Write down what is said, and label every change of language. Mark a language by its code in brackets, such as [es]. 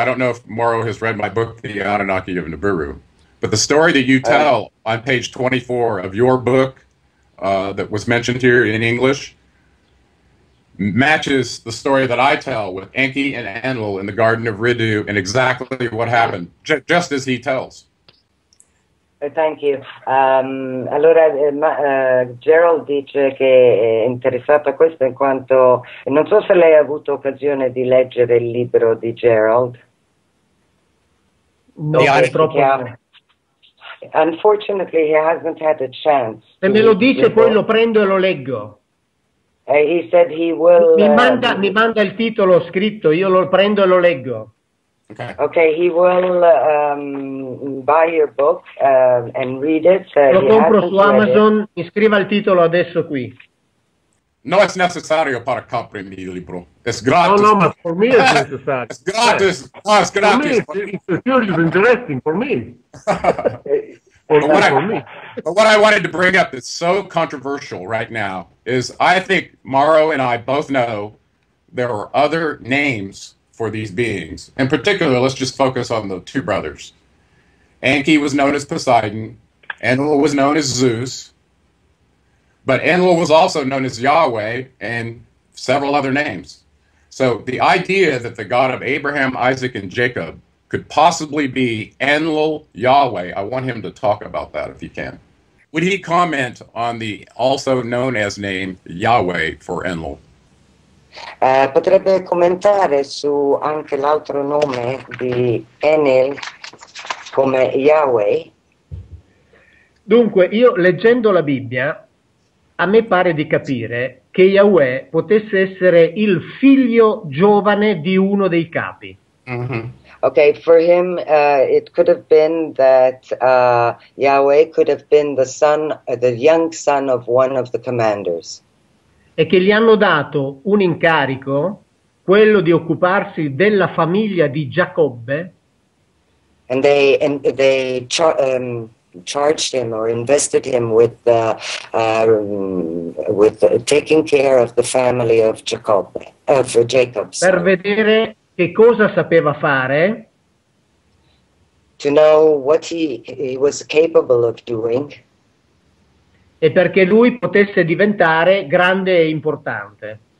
[en] I don't know if Mauro has read my book, The Anunnaki of Nibiru, but the story that you tell on page 24 of your book, that was mentioned here in English, matches the story that I tell with Enki and Enlil in the Garden of Riddu and exactly what happened, just as he tells. Thank you. [it] Allora, Gerald dice che è interessato a questo in quanto, non so se lei ha avuto occasione di leggere il libro di Gerald. No, purtroppo. [en] Unfortunately, he hasn't had a chance. [it] Se me lo dice, poi lo prendo e lo leggo. [en] He said he will. [it] Mi manda il titolo scritto. Io lo prendo e lo leggo. [en] Okay. He will buy your book and read it. [it] Lo compro su Amazon. Mi scriva il titolo adesso qui. No, è necessario per comprare il mio libro. È gratis. No, ma per me è necessario. È gratis. No, è gratis. [en] For me, it's interesting for me. But what I wanted to bring up that's so controversial right now is I think Mauro and I both know there are other names for these beings. In particular, let's just focus on the two brothers. Enki was known as Poseidon. Enlil was known as Zeus. But Enlil was also known as Yahweh and several other names. So the idea that the God of Abraham, Isaac, and Jacob could possibly be Enlil Yahweh, I want him to talk about that if he can. Would he comment on the also known as name Yahweh for Enlil? [it] Potrebbe commentare su anche l'altro nome di Enel come Yahweh? Dunque, io leggendo la Bibbia, a me pare di capire che Yahweh potesse essere il figlio giovane di uno dei capi. Mm-hmm. [en] Okay, for him, it could have been that Yahweh could have been the son, the young son of one of the commanders. [it] E che gli hanno dato un incarico, quello di occuparsi della famiglia di Giacobbe. [en] And they charged him or invested him with taking care of the family of Giacobbe, for Jacob. [it] Per vedere che cosa sapeva fare. [en] To know what he was capable of doing. [it] E perché lui potesse diventare grande e importante.